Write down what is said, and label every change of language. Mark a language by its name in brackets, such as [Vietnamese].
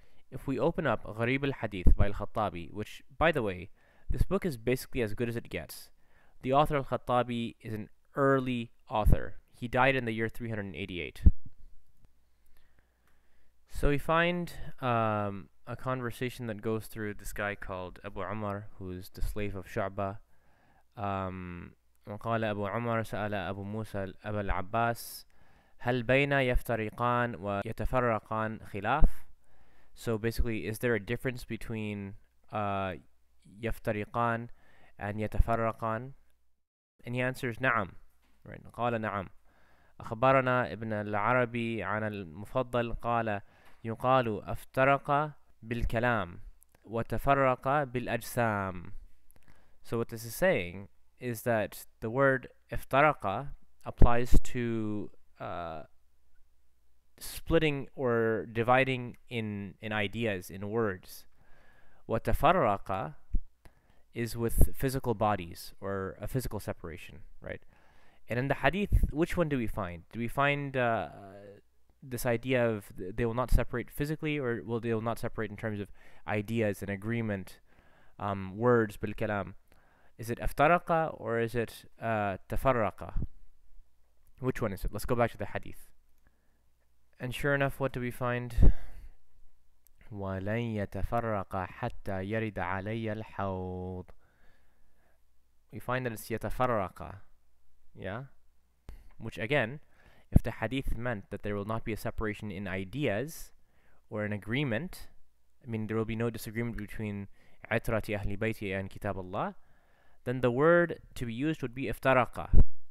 [English] If we open up Gharib al-Hadith by al-Khattabi, which, by the way, this book is basically as good as it gets. The author al-Khattabi is an early author. He died in the year 388. So we find a conversation that goes through this guy called Abu Umar, who is the slave of Shu'ba. [Arabic] وقال أبو عمر سأل أبو موسى أبو العباس هل بين يفترقان ويتفرقان خلاف. [English] So basically, is there a difference between يفترقان and يتفرقان? And he answers نعم. Right. [Arabic] قال نعم أخبرنا ابن العربي عن المفضل قال يقال أفترق بالكلام وتفرق بالأجسام. [English] So what this is saying is that the word افترق applies to splitting or dividing in ideas, in words. وتفرق is with physical bodies or a physical separation, right? And in the hadith, which one do we find? Do we find this idea of they will not separate physically, or will they will not separate in terms of ideas and agreement, words, bil kalam? Is it aftaraqa or is it tafaraqa? Which one is it? Let's go back to the hadith. And sure enough, what do we find? [Arabic] وَلَنْ يَتَفَرَّقَ حَتَّى يَرِدَ عَلَيَّ الْحَوْضِ. [English] We find that it's [Arabic] يَتَفَرَّقَ. [English] Yeah, which again, if the hadith meant that there will not be a separation in ideas or an agreement, I mean, there will be no disagreement between [Arabic] عِتْرَةِ أَهْلِ بَيْتِ [English] and Kitab Allah, then the word to be used would be iftaraqa.